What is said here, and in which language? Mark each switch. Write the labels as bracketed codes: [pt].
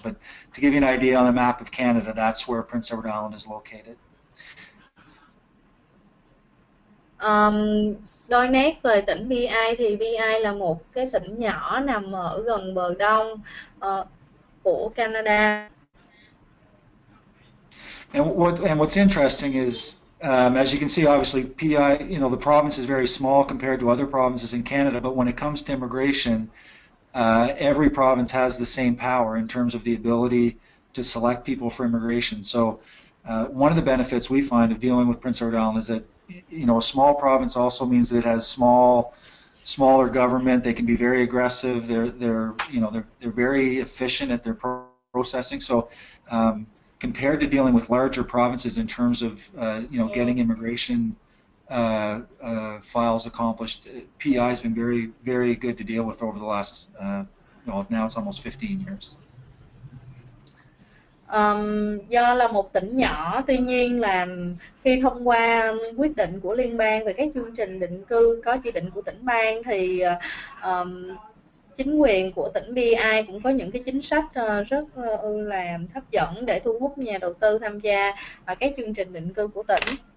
[en] But to give you an idea on a map of Canada, that's where Prince Edward Island is located. [vi] Đôi nét về tỉnh PEI thì PEI là một cái tỉnh nhỏ nằm ở gần bờ đông của Canada. [en] And what's interesting is, as you can see, obviously PEI, the province is very small compared to other provinces in Canada. But when it comes to immigration, every province has the same power in terms of the ability to select people for immigration. So, one of the benefits we find of dealing with Prince Edward Island is that, a small province also means that it has smaller government. They can be very aggressive. They're very efficient at their processing. So, compared to dealing with larger provinces in terms of getting immigration files accomplished, PI has been very, very good to deal with over the last, now it's almost 15 years. [vi] Do là một tỉnh nhỏ, tuy nhiên là khi thông qua quyết định của liên bang về các chương trình định cư có chỉ định của tỉnh bang thì chính quyền của tỉnh BI cũng có những cái chính sách rất là hấp dẫn để thu hút nhà đầu tư tham gia các chương trình định cư của tỉnh.